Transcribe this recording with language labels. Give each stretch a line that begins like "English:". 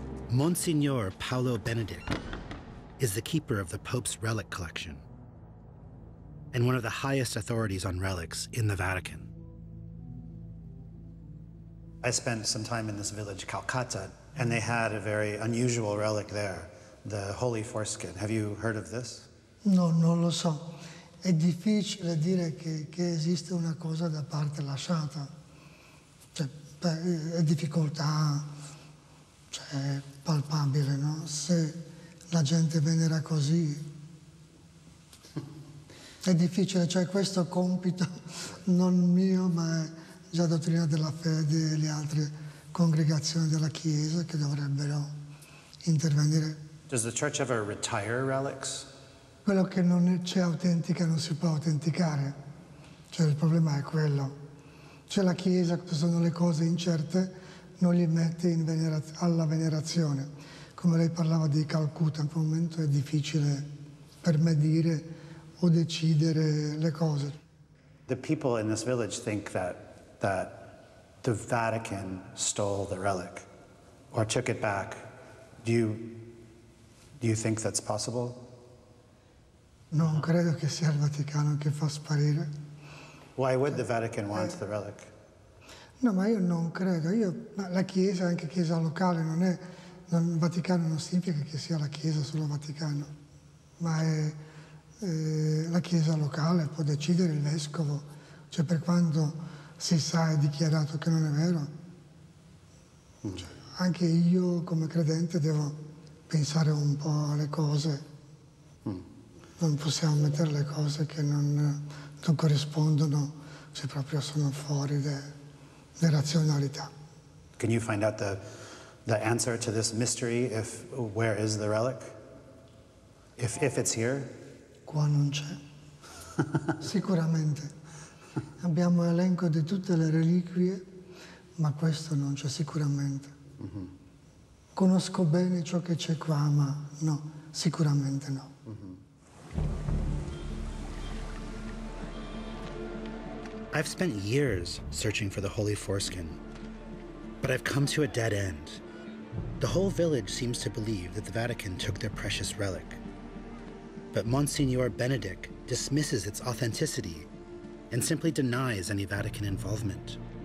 English: Monsignor Paolo Benedict is the keeper of the Pope's relic collection and one of the highest authorities on relics in the Vatican. I spent some time in this village, Calcutta, and they had a very unusual relic there, the Holy Foreskin. Have you heard of this?
Italian: No, non lo so. È difficile dire che esiste una cosa da parte lasciata. Cioè, è difficoltà, cioè, palpabile, no? Se la gente venera così, è difficile. Cioè, questo compito non mio, ma è già dottrina della fede e le altre congregazioni della Chiesa che dovrebbero intervenire.
English: Does the Church ever retire relics?
Italian: Quello che non c'è autentica non si può autenticare. Cioè, il problema è quello. Cioè, la Chiesa, che sono le cose incerte, non li mette in alla venerazione. Come lei parlava di Calcutta, in quel momento è difficile per me dire o decidere le cose.
English: The people in this village think that the Vatican stole the relic or took it back. Do you think that's possible?
Italian: Non credo che sia il Vaticano che fa sparire.
English: Why would the Vatican want the relic?
Italian: No, ma io non credo. Io, ma la Chiesa, anche Chiesa locale, non è. Non, il Vaticano non significa che sia la Chiesa solo Vaticano, ma è la Chiesa locale, può decidere il Vescovo. Cioè, per quanto si sa e dichiarato che non è vero, cioè, anche io come credente devo pensare un po' alle cose. Non possiamo mettere le cose che non corrispondono se proprio sono fuori le razionalità.
English: Can you find out the answer to this mystery, if where is the relic? If it's here?
Italian: Qua non c'è. Sicuramente. Abbiamo l'elenco di tutte le reliquie, ma questo non c'è sicuramente. Mm-hmm. Conosco bene ciò che c'è qua, ma no, sicuramente no. Mm-hmm.
English: I've spent years searching for the Holy Foreskin, but I've come to a dead end. The whole village seems to believe that the Vatican took their precious relic. But Monsignor Benedict dismisses its authenticity and simply denies any Vatican involvement.